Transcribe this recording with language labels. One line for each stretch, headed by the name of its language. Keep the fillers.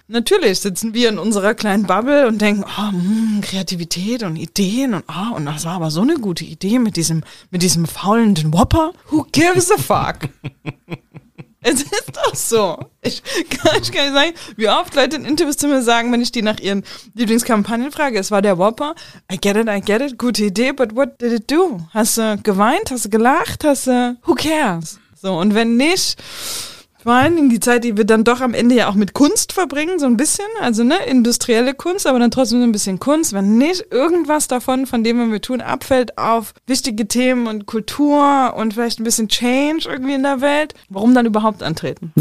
German: Natürlich sitzen wir in unserer kleinen Bubble und denken, oh, mh, Kreativität und Ideen und ah, und das war aber so eine gute Idee mit diesem, mit diesem faulenden Whopper.
English: Who gives a fuck?
German: Es ist doch so. Ich kann, ich kann nicht sagen, wie oft Leute in Interviews zu mir sagen, wenn ich die nach ihren Lieblingskampagnen frage, es war der Whopper.
English: I get it, I get it,
German: gute Idee,
English: but what did it do?
German: Hast du geweint? Hast du gelacht? Hast du,
English: who cares?
German: So, und wenn nicht, vor allen Dingen die Zeit, die wir dann doch am Ende ja auch mit Kunst verbringen, so ein bisschen, also ne, industrielle Kunst, aber dann trotzdem so ein bisschen Kunst, wenn nicht irgendwas davon, von dem, was wir tun, abfällt auf wichtige Themen und Kultur und vielleicht ein bisschen Change irgendwie in der Welt, warum dann überhaupt antreten?